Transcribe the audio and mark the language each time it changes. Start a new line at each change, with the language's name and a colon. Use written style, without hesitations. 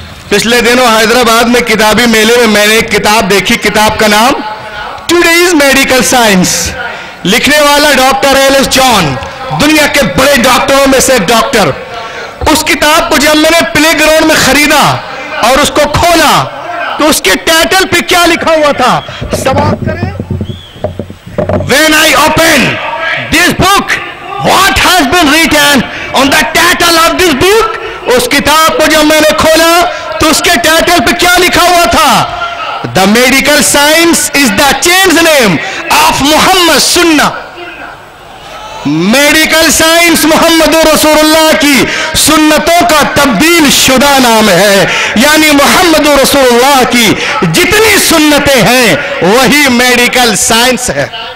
Hindi: पिछले दिनों हैदराबाद में किताबी मेले में मैंने एक किताब देखी, किताब का नाम टुडेज मेडिकल साइंस। लिखने वाला डॉक्टर एलिस जॉन, दुनिया के बड़े डॉक्टरों में से एक डॉक्टर। उस किताब को जब मैंने प्ले ग्राउंड में खरीदा और उसको खोला तो उसके टाइटल पे क्या लिखा हुआ था सवाल करें?
English: When I open this book, what has been written on the title of this book?
Hindi: उस किताब को जब मैंने खोला तो उसके टाइटल पे क्या लिखा हुआ था?
English: The medical science is the change name of Muhammad Sunnah.
Hindi: Medical science Mohammad रसूलुल्लाह की सुन्नतों का तब्दील शुदा नाम है, यानी मोहम्मद रसूलुल्लाह की जितनी सुन्नतें हैं वही मेडिकल साइंस है।